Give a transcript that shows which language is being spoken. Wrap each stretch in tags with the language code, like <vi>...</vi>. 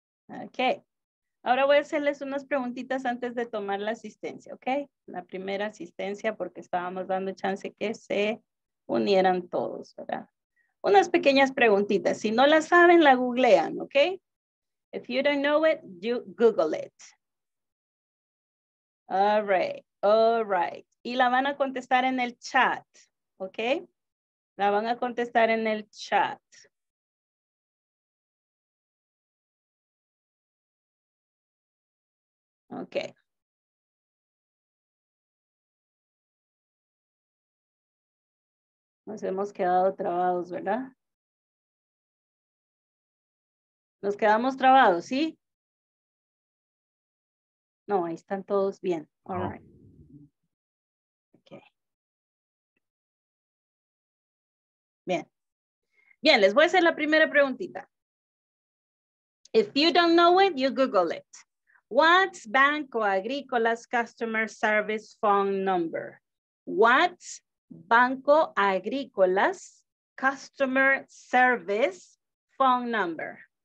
<en>Okay.</en> <es>Ahora voy a hacerles unas preguntitas antes de tomar la asistencia, ¿ok? La primera asistencia, porque estábamos dando chance que se unieran todos, ¿verdad? Unas pequeñas preguntitas. Si no las saben, la googlean, ¿ok?</es> <en>If you don't know it, you Google it. All right, all right.</en> <es>Y la van a contestar en el chat, ¿ok? La van a contestar en el chat. Ok. Nos hemos quedado trabados, ¿verdad? Nos quedamos trabados, ¿sí? No, ahí están todos bien.</es> <en>All right.</en> <es>Bien. Bien, les voy a hacer la primera preguntita.</es> <en>If you don't know it, you Google it. What's Banco Agrícola's customer service phone number? What's Banco Agrícola's customer service phone number?</en>